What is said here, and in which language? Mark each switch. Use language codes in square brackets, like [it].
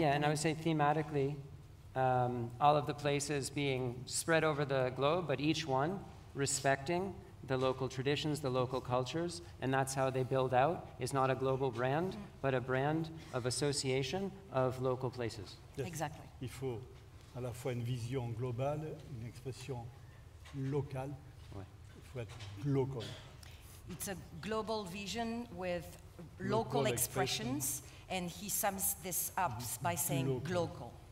[en] Yeah, and I would say thematically, all of the places being spread over the globe, but each one respecting the local traditions, the local cultures, and that's how they build out, is not a global brand, but a brand of association of local places. Yes. Exactly. [fr] Il faut à la fois une vision globale, une expression locale. Ouais. Il faut être local. [en] It's a global vision with local expressions, and he sums this up by saying local.